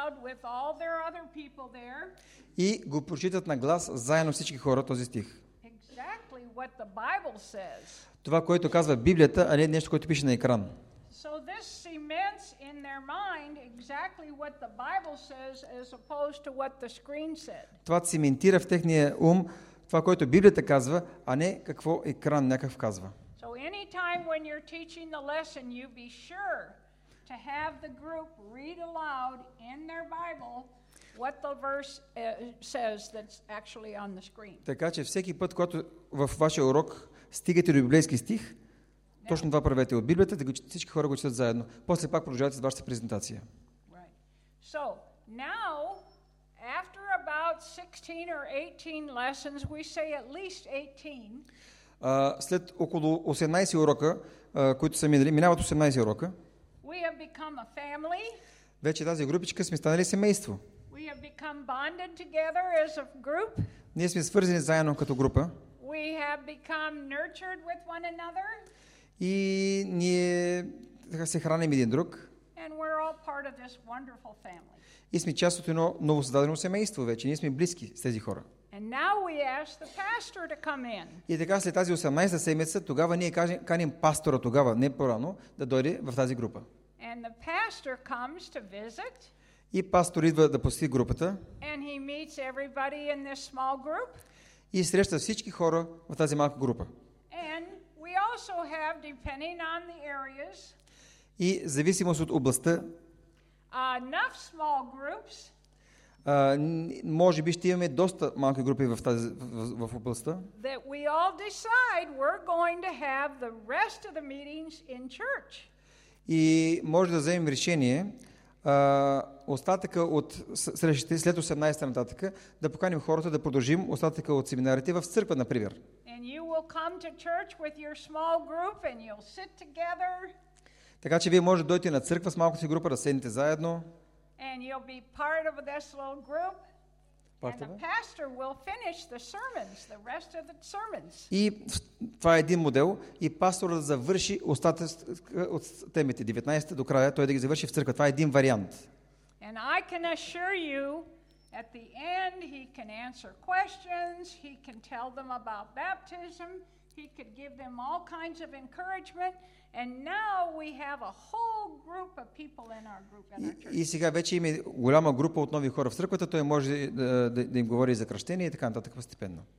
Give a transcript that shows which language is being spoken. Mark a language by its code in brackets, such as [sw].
[en] With all their other people there. [bg] И го прочитат на глас заедно всички хора този стих. [en] Exactly what the Bible says. [bg] Това, което казва Библията, а не нещо, което пише на екран. [en] So this cements in their mind exactly what the Bible says as opposed to what the screen said. [bg] Това циментира в техния ум това, което Библията казва, а не какво екран някакъв казва. [en] So anytime when you're teaching the lesson, you be sure to have the group read aloud in their Bible what the verse says that's actually on the screen. [bg] Така че всеки път, когато в вашия урок стигате до библейски стих, now, точно това правете от Библията, да го четете, всички хора го четат заедно. После пак продължавате с вашата презентация. [en] Right. So, now after about 16 or 18 lessons, we say at least 18. [bg] След около 18 урока, които са минали, минават 18 урока. [en] We have become a family. [bg] Вече тази групичка сме станали семейство. [en] We have become bonded together as a group. [bg] Ние сме свързани заедно като група. [en] We have become nurtured with one another. [bg] И ние се храним един друг. [en] And we're all part of this wonderful family. [bg] И сме част от едно новосъздадено семейство вече. Ние сме близки с тези хора. [en] And now we ask the pastor to come in. [bg] И така след тази 18-та седмица, тогава ние каним пастора тогава, не по-рано, да дойде в тази група. [en] And the pastor comes to visit. [bg] И пастор идва да посети групата. [en] And he meets everybody in this small group. [bg] И среща всички хора в тази малка група. [en] And we also have, depending on the areas, [bg] и зависимост от областта, [en] enough small groups. [bg] Може би ще имаме доста малки групи в тази в областта. [en] That we all decide we're going to have the rest of the meetings in church. [bg] И може да вземем решение остатъка от срещите след 18-та нататък да поканим хората да продължим остатъка от семинарите в църква, например. [en] And you will come to church with your small group and you'll sit together. [bg] Така че вие може да дойдете на църква с малката си група, да седнете заедно. [en] And you'll be part of this little group. And the pastor will finish the sermons, the rest of the sermons. [bg] И това е един модел и пасторът да завърши остатъка от темите 19 до края, той да ги завърши в църква. Това е един вариант. [en] And I can assure you at the end he can answer questions, he can tell them about baptism, he could give them all kinds of encouragement. And now we have a whole group of people in our group. [bg] И сега вече има голяма група от нови хора в църквата, той може да им говори за кръщение и така нататък постепенно.